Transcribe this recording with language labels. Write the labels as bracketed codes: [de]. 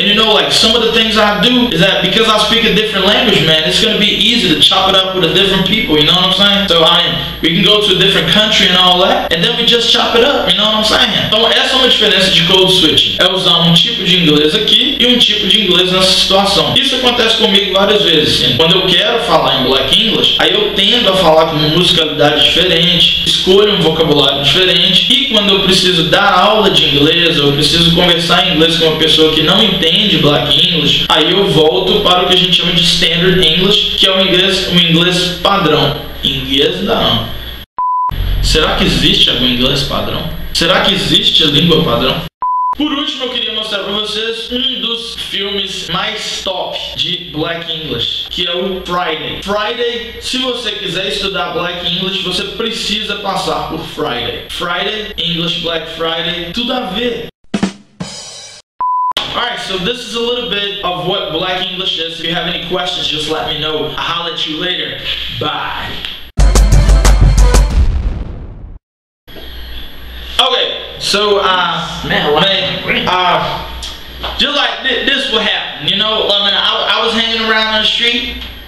[en] And you know, like, some of the things I do is that because I speak a different language, man, it's gonna be easy to chop it up with a different people, you know what I'm saying? So we can go to a different country and all that, and then we just chop it up, you know what I'm saying? [pt] Então essa é uma diferença de code switching. É usar um tipo de inglês aqui e um tipo de inglês nessa situação. Isso acontece comigo várias vezes, assim. Quando eu quero falar em Black English, aí eu tendo a falar com uma musicalidade diferente, escolho um vocabulário diferente, e quando eu preciso dar aula de inglês, ou eu preciso conversar em inglês com uma pessoa que não entende Black English, aí eu volto para o que a gente chama de Standard English, que é o inglês padrão. Inglês não. Será que existe algum inglês padrão? Será que existe a língua padrão? Por último, eu queria mostrar para vocês um dos filmes mais top de Black English, que é o Friday. Friday, se você quiser estudar Black English, você precisa passar por Friday. Friday, English Black Friday, tudo a ver. [en] Alright, so this is a little bit of what Black English is. If you have any questions, just let me know. I'll holler at you later. Bye. Okay, so, just like this will happen, you know, I mean, I was hanging around on the street.